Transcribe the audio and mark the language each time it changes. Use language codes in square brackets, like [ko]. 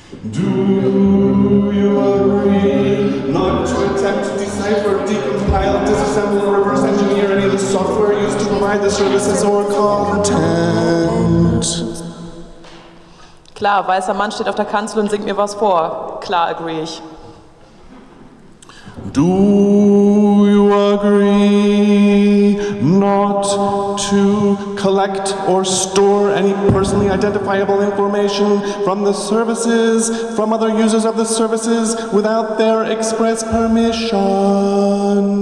[en] Do you agree not to attempt to decipher, decompile, disassemble, or reverse engineer any of the software used to provide the services or content? [de] Klar, weißer Mann steht auf der Kanzel und singt mir was vor. Klar agree ich. [en] Do you agree not to collect or store any personally identifiable information from the services, from other users of the services, without their express permission?